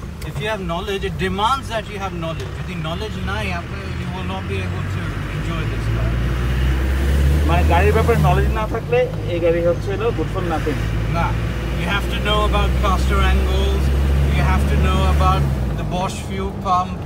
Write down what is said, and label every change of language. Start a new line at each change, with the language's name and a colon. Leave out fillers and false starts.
English: If you have knowledge, it demands that you have knowledge. যদি knowledge নাই, you will not be able to enjoy this car.
Bangla: মানে গাড়ির ব্যাপারে knowledge না থাকলে এই গাড়ি হচ্ছে না
English: good for nothing.
Bangla: না.
English: You have to know about caster angles. You have to know about the Bosch fuel pump.